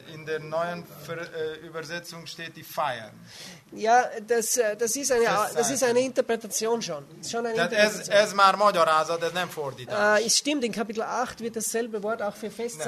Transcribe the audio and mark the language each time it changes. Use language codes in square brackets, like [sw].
[de] In der neuen Übersetzung steht die feiern. Ja, das ist eine Interpretation schon. [hu] Ez már magyarázat, ez nem fordítás. [de] Es stimmt, in Kapitel 8 wird dasselbe Wort auch für Festzeiten.